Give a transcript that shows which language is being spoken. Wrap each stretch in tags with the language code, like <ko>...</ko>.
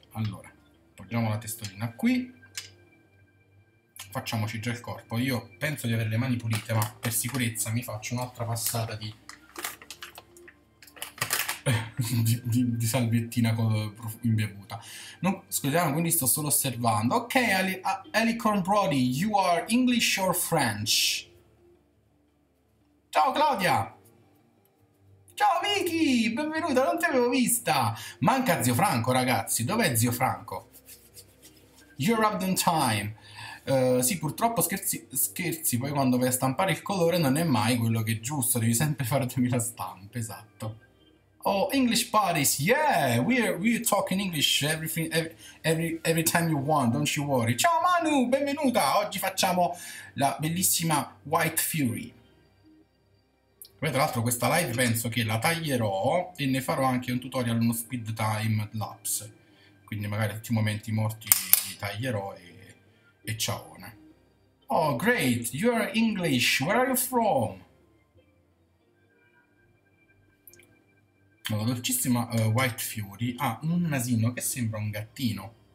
<it>Allora, poggiamo la testolina qui. Facciamoci già il corpo. Io penso di avere le mani pulite, ma per sicurezza mi faccio un'altra passata di salviettina imbevuta. Non, scusate, quindi sto solo osservando.</it> <en>Ok, Alicorn Brody, you are English or French?</en> <it>Ciao, Claudia! Ciao Vicky, benvenuta, non ti avevo vista. Manca zio Franco, ragazzi. Dov'è zio Franco?</it> <en>You're up on time.</en> <it>Sì, purtroppo scherzi, poi quando vai a stampare il colore non è mai quello che è giusto, devi sempre farti la stampa, esatto.</it> <en>Oh, English parties, yeah, we're talking English every time you want, don't you worry.</en> <it>Ciao Manu, benvenuta, oggi facciamo la bellissima White Fury. Poi tra l'altro questa live penso che la taglierò e ne farò anche un tutorial, uno speed time lapse. Quindi magari tutti i momenti morti li taglierò e ciao.</it> <en>Oh, great, you're English, where are you from?</en> <it>La dolcissima White Fury ha un nasino che sembra un gattino.</it>